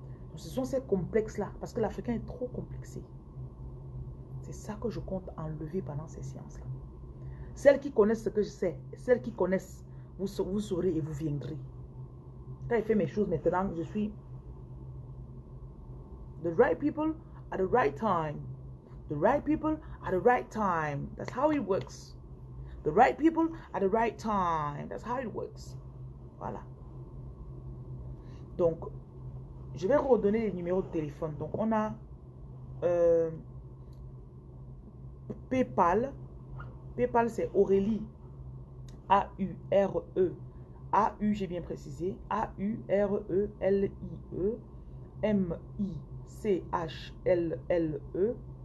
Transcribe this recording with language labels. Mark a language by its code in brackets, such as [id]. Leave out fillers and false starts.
[fr] Donc ce sont ces complexes-là, parce que l'Africain est trop complexé. C'est ça que je compte enlever pendant ces séances-là. Celles qui connaissent ce que je sais, celles qui connaissent, vous saurez et vous viendrez. Quand j'ai fait mes choses maintenant, je suis [en] the right people at the right time. The right people at the right time. That's how it works. The right people at the right time. That's how it works. Voilà. [fr] Donc, je vais redonner les numéros de téléphone. Donc, on a PayPal. PayPal, c'est Aurélie. A-U-R-E. A-U, j'ai bien précisé. A-U-R-E-L-I-E. M-I-C-H-L-L-E.